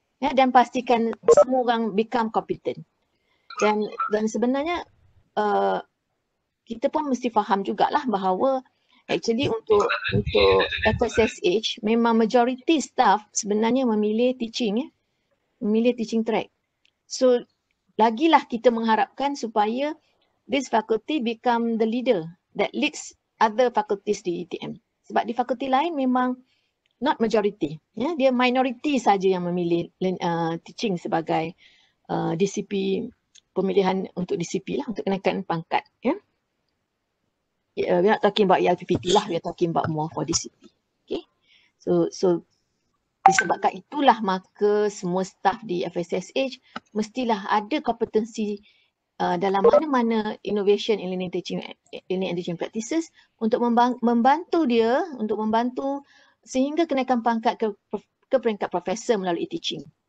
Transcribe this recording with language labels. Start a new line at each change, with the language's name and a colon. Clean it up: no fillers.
Malay: Ya, dan pastikan semua orang
English: become competent.
Malay: Dan sebenarnya kita pun mesti faham jugalah bahawa actually untuk FSSH memang majority staff sebenarnya memilih teaching track. So lagilah kita mengharapkan supaya
English: this faculty become the leader that leads other faculties di ETM.
Malay: Sebab di faculty lain memang
English: not majority.
Malay: Ya, dia minority saja yang memilih teaching sebagai DCP, pemilihan untuk DCP lah, untuk kenaikan pangkat. Ya.
English: Yeah, we're not talking about ELPPT lah, we're talking about more for DCP.
Malay: Okay. So disebabkan itulah maka semua staff di FSSH mestilah ada kompetensi dalam mana-mana
English: innovation in learning and teaching practices
Malay: untuk membantu sehingga kenaikan pangkat ke peringkat profesor melalui teaching.